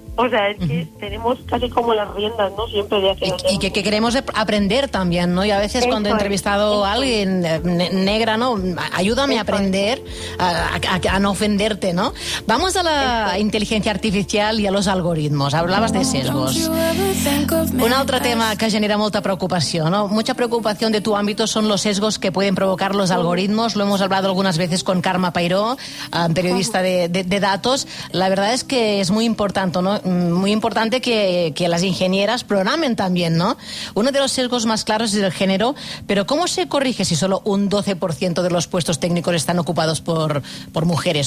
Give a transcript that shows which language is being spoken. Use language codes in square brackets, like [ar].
[es] O sea, es que tenemos casi como las riendas, ¿no? Siempre de hacer. Y que queremos aprender también, ¿no? Y a veces cuando he entrevistado a alguien negra, ¿no? Ayúdame a aprender a no ofenderte, ¿no? Vamos a la inteligencia artificial y a los algoritmos. Hablabas de sesgos. [ca] Un altre tema que genera molta preocupació, ¿no? [es] Mucha [ca] preocupació de tu àmbit són [es] los sesgos que pueden provocar los algoritmos. Lo hemos hablado algunas veces con Carme Pairó, periodista de datos. La verdad es que es muy importante, ¿no? Muy importante que las ingenieras programen también, ¿no? Uno de los sesgos más claros es el género, pero ¿cómo se corrige si solo un 12% de los puestos técnicos están ocupados por mujeres?